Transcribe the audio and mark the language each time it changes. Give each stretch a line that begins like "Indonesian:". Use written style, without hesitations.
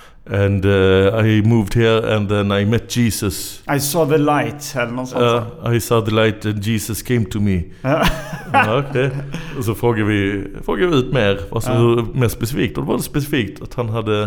English: And I moved here and then I met Jesus. I saw the light,
Swedish: eller något sånt.
English: I saw the light and Jesus came to me.
Swedish: Okay. Och så frågar vi ut mer. Vad som är mer specifikt. Och det var specifikt att han hade...